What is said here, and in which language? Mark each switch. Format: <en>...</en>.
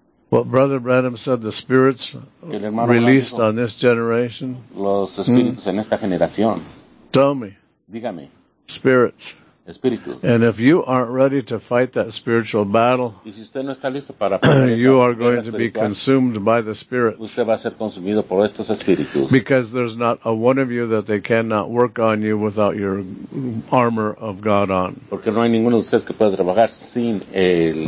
<en>What Brother Branham said, the spirits released on this generation.</en> <es>Los espíritus en esta generación.</es> <en>Tell me.</en> <es>Dígame.</es> <en>Spirits.</en> <es>Espíritus.</es> <en>And if you aren't ready to fight that spiritual battle,</en> <es>y si usted no está listo para</es> <en>you are going to be consumed by the spirits.</en> <es>Usted va a ser consumido por estos espíritus.</es> <en>Because there's not a one of you that they cannot work on you without your armor of God on.</en> <es>Porque no hay ninguno de ustedes que pueda trabajar sin el,</es>